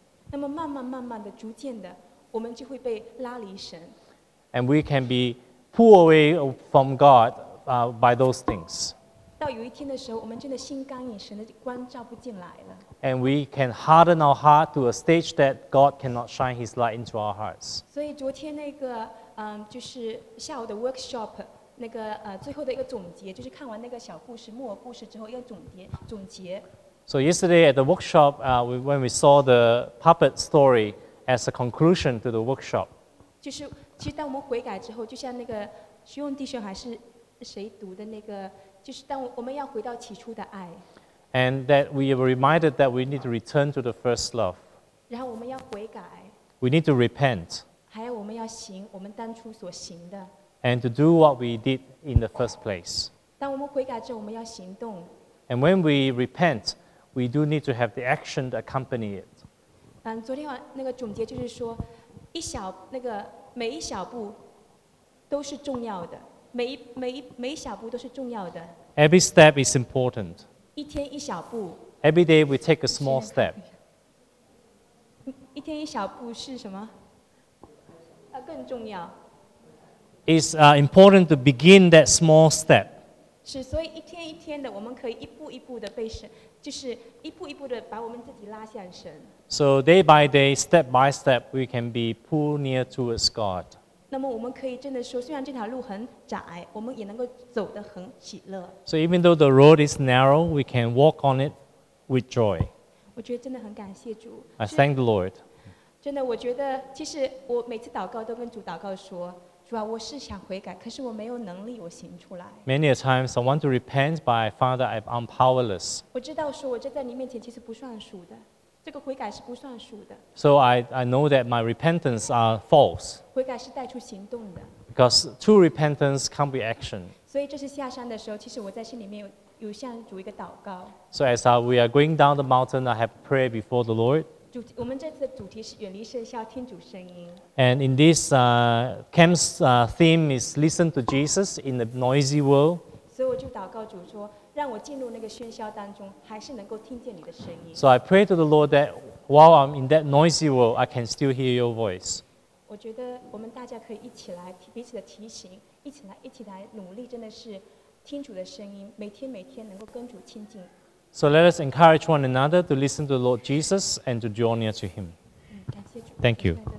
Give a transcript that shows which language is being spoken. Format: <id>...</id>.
<zh>那么慢慢慢慢的逐渐的我们就会被拉离神。</zh> <en>and we can be pulled away from God by those things.</en> <zh>到有一天的时候，我们真的心刚硬，神的光照不进来了。</zh> <en>And we can harden our heart to a stage that God cannot shine His light into our hearts.</en> <zh>所以昨天那个就是下午的 workshop 那个最后的一个总结，就是看完那个小故事、木偶故事之后一个总结。</zh> <en>So yesterday at the workshop, when we saw the puppet story as a conclusion to the workshop,</en> <zh>就是其实当我们悔改之后，就像那个徐勇弟兄还是谁读的那个，就是当我们要回到起初的爱。</zh> <en>And that we are reminded that we need to return to the first love.</en> <zh>然后我们要悔改。</zh> <en>We need to repent.</en> <zh>还有我们要行我们当初所行的。</zh> <en>And to do what we did in the first place.</en> <zh>当我们悔改之后，我们要行动。</zh> <en>And when we repent, we do need to have the action to accompany it.</en> <zh>昨天晚那个总结就是说，一小那个每一小步都是重要的，每一小步都是重要的。</zh> <en>Every step is important.</en> <zh>一天一小步。</zh> <en>Every day we take a small step.</en> <zh>一天一小步是什么？更重要。</zh> <en>It's important to begin that small step.</en> <zh>是，所以一天一天的，我们可以一步一步的被神，就是一步一步的把我们自己拉向神。</zh> <en>So day by day, step by step, we can be pulled near towards God.</en> <zh>那么我们可以真的说，虽然这条路很窄，我们也能够走得很喜乐。</zh> <en>So even though the road is narrow, we can walk on it with joy.</en> <zh>我觉得真的很感谢主。</zh> <en>I thank the Lord.</en> <zh>真的，我觉得其实我每次祷告都跟主祷告说。主啊，我是想悔改，可是我没有能力，我行出来。</zh> <en>Many a times I want to repent, but I find that I'm powerless.</en> <zh>我知道说我这在你面前其实不算数的，这个悔改是不算数的。</zh> <en>So I know that my repentance are false.</en> <zh>悔改是带出行动的。</zh> <en>Because true repentance come with action.</en> <zh>所以这是下山的时候，其实我在心里面有向主一个祷告。</zh> <en>So as we are going down the mountain, I have prayer before the Lord.</en> <zh>我们这次的主题是远离喧嚣，听主声音。</zh> <en>And in this camp's theme is listen to Jesus in the noisy world.</en> <zh>所以我就祷告主说，让我进入那个喧嚣当中，还是能够听见你的声音。</zh> <en>So I pray to the Lord that while I'm in that noisy world, I can still hear your voice.</en> <zh>我觉得我们大家可以一起来彼此的提醒，一起来努力，真的是听主的声音，每天每天能够跟主亲近。</zh> <en>So let us encourage one another to listen to the Lord Jesus and to draw near to Him. Thank you.</en>